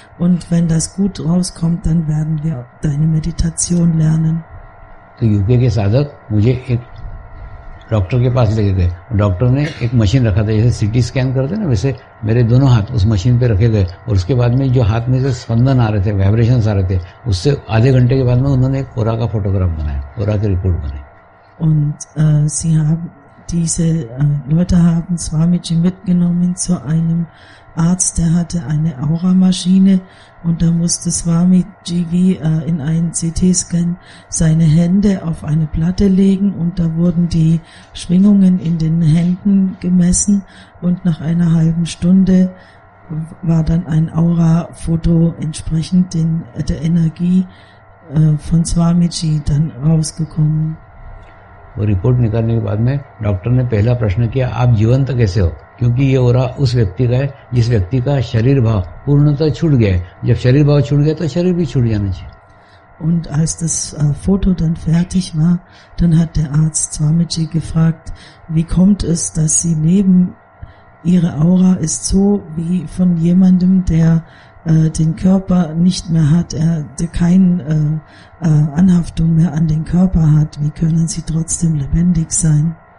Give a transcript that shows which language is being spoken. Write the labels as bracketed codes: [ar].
[de] Und wenn das gut rauskommt, dann werden wir deine Meditation lernen. [hi] तो UK के साधक मुझे एक डॉक्टर के पास ले गए। डॉक्टर ने एक मशीन रखा था, जैसे सीटी स्कैन करते ना, वैसे मेरे दोनों हाथ उस मशीन पे रखे गए। और उसके बाद में जो हाथ में से स्पंदन आ रहे थे, वाइब्रेशन आ रहे थे, उससे आधे घंटे के बाद में उन्होंने एक ओरा का फोटोग्राफ बनाया, ओरा की रिपोर्ट बनाई। [de] Diese Leute haben Swamiji mitgenommen zu einem Arzt, der hatte eine Aura-Maschine und da musste Swamiji wie in einen CT-Scan seine Hände auf eine Platte legen und da wurden die Schwingungen in den Händen gemessen und nach einer halben Stunde war dann ein Aura-Foto entsprechend der Energie von Swamiji dann rausgekommen. [hi] वो report निकालने के बाद में doctor ने पहला प्रश्न किया, आप जीवंत कैसे हो, क्योंकि ये ओरा उस व्यक्ति का है जिस व्यक्ति का शरीर भाव पूर्णतः छूट गया है, जब शरीर भाव छूट गया तो शरीर भी छूट जाना चाहिए। [de] Und als das Foto dann fertig war, dann hat der Arzt Swamiji gefragt, wie kommt es, dass sie leben, ihre Aura ist so wie von jemandem, der den Körper nicht mehr hat, der keine Anhaftung mehr an den Körper hat, wie können sie trotzdem lebendig sein?